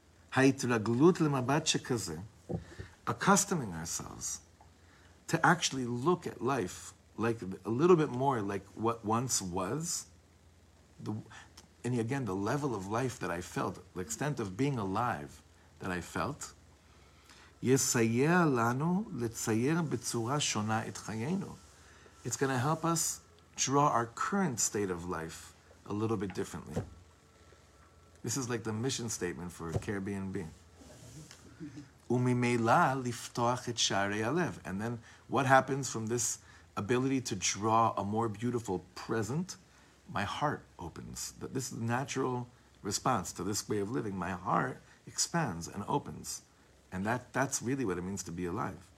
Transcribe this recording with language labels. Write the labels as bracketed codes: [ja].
[he] Ha'itraglut lemabat shekaze. [en] Accustoming ourselves to actually look at life like a little bit more like what once was. The level of life that I felt, the extent of being alive that I felt. [he] יסייע לנו לצייר בצורה שונה את חיינו. [en] It's going to help us draw our current state of life a little bit differently. This is like the mission statement for Caribbean being. [he] וממילא לפתוח את שערי הלב. [en] And then what happens from this ability to draw a more beautiful present? My heart opens. This is the natural response to this way of living. My heart expands and opens. And that's really what it means to be alive.